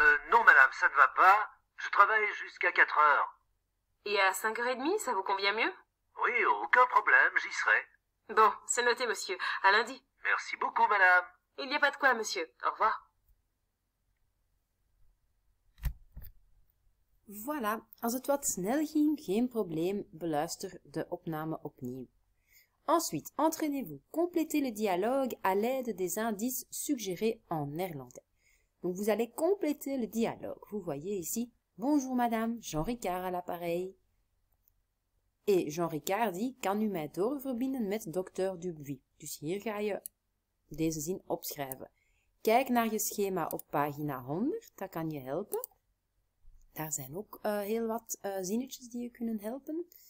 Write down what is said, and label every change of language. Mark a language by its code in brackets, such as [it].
[fr] Non, madame, ça ne va pas. Je travaille jusqu'à 4h. Et à 5h30, ça vous convient mieux? Oui, aucun problème, j'y serai. Bon, c'est noté, monsieur. À lundi. Merci beaucoup, madame. Il n'y a pas de quoi, monsieur. Au revoir. [nl] Voilà, als het wat snel ging, geen probleem, beluister de opname opnieuw. [fr] Ensuite, entraînez-vous, complétez le dialogue à l'aide des indices suggérés en néerlandais. Donc vous allez compléter le dialogue. Vous voyez ici, bonjour madame, Jean-Ricard à l'appareil. Et Jean-Ricard dit, [nl] kan u mij doorverbinden met docteur Dubuis? Dus hier ga je deze zin opschrijven. Kijk naar je schema op pagina 100, dat kan je helpen. Daar zijn ook heel wat zinnetjes die je kunnen helpen.